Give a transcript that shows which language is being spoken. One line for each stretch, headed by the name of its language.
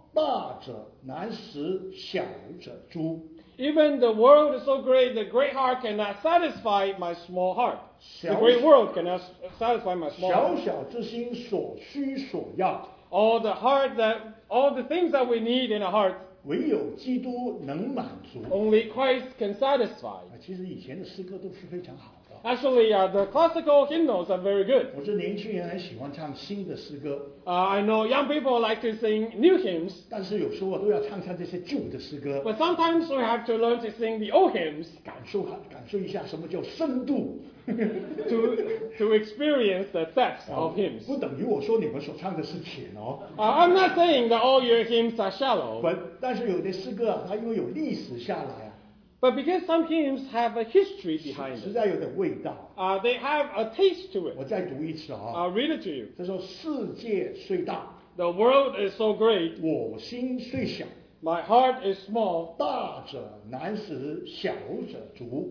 Chinese: 大者难食，小者诛。
English: Even the world is so great, the great heart cannot satisfy my small heart. The great world cannot satisfy my small heart.
Chinese: 小小之心所需所要。
English: All the things that we need in a heart,
Chinese: 唯有基督能满足。
English: Only Christ can satisfy.
Chinese: 其实以前的诗歌都是非常好。
English: Actually, the classical hymnals are very good.
Chinese: 我是年轻人，很喜欢唱新的诗歌。
English: I know young people like to sing new hymns.
Chinese: 但是有时候我都要唱唱这些旧的诗歌。
English: But sometimes we have to learn to sing the old hymns.
Chinese: 感受一下什么叫深度。
English: to experience the depth of hymns.
Chinese: 不等于我说你们所唱的是浅哦。
English: I'm not saying that all your hymns are shallow.
Chinese: 但是有的诗歌它因为有历史下来。
English: But because some hymns have a history behind them,
Chinese: 实在有点味道。
English: They have a taste to it.
Chinese: 我再读一次啊。
English: I'll read it to you.
Chinese: 他说世界虽大，
English: The world is so great.
Chinese: 我心虽小，
English: My heart is small.
Chinese: 大者难使小者足。